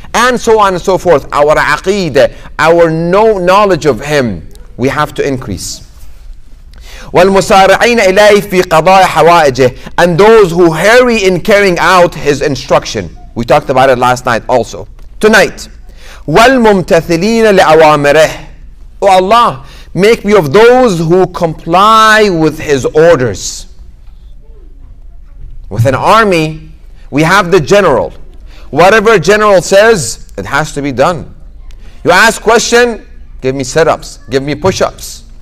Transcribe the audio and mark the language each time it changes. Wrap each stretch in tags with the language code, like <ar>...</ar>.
<en>And so on and so forth. Our aqeed, our knowledge of him, we have to increase.</en> <ar>والمسارعين إليه في قضاء حوائجه,</ar> <en>and those who hurry in carrying out his instruction. We talked about it last night also. Tonight,</en> <ar>والممتثلين لأوامره.</ar> <en>Oh Allah, make me of those who comply with his orders. With an army, we have the general. Whatever general says, it has to be done. You ask question, give me sit-ups, give me push-ups.</en>